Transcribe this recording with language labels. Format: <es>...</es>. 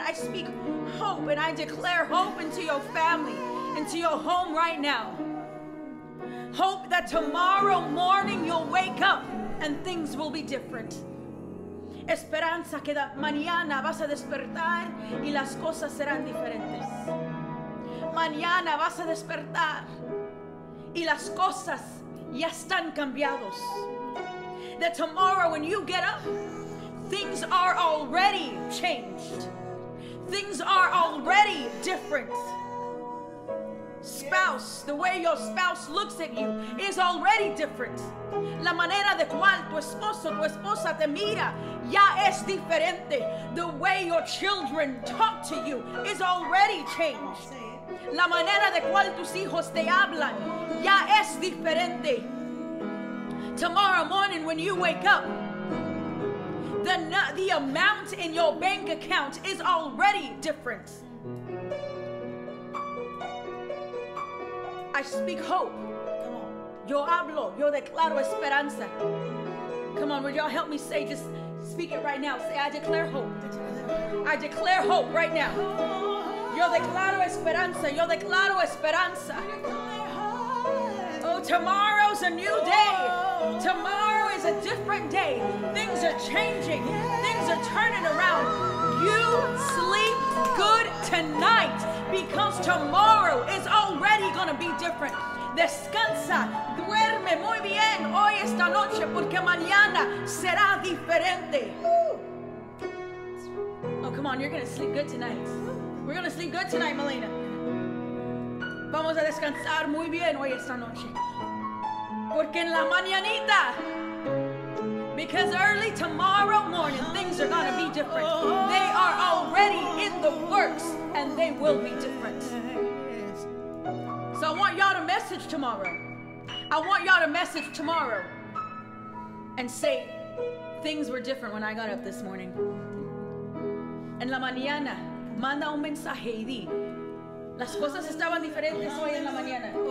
<en>I speak hope and I declare hope into your family, into your home right now. Hope that tomorrow morning you'll wake up and things will be different.</en> <es>Esperanza que mañana vas a despertar y las cosas serán diferentes. Mañana vas a despertar y las cosas ya están cambiados.</es> <en>That tomorrow when you get up, things are already changed. Things are already different. Spouse, the way your spouse looks at you is already different.</en> <es>La manera de cual tu esposo, tu esposa te mira ya es diferente.</es> <en>The way your children talk to you is already changed.</en> <es>La manera de cual tus hijos te hablan ya es diferente.</es> <en>Tomorrow morning when you wake up, the amount in your bank account is already different. I speak hope.</en> <es>Yo hablo, yo declaro esperanza.</es> <en>Come on, would y'all help me say, just speak it right now. Say, I declare hope. I declare hope right now.</en> <es>Yo declaro esperanza, yo declaro esperanza.</es> <en>Oh, tomorrow's a new day. Tomorrow is a different day. Things are changing. Things are turning around. You sleep good tonight because tomorrow is already going to be different.</en> <es>Descansa, duerme muy bien hoy esta noche porque mañana será diferente.</es> <en>Oh, come on, you're going to sleep good tonight. We're going to sleep good tonight, Melina.</en> <es>Vamos a descansar muy bien hoy esta noche. Porque en la mañanita.</es> <en>Because early tomorrow morning, things are going to be different. They are already in the works, and they will be different. So I want y'all to message tomorrow. I want y'all to message tomorrow and say, things were different when I got up this morning.</en> <es>En la mañana, manda un mensaje y di. Las cosas estaban diferentes hoy en la mañana.</es>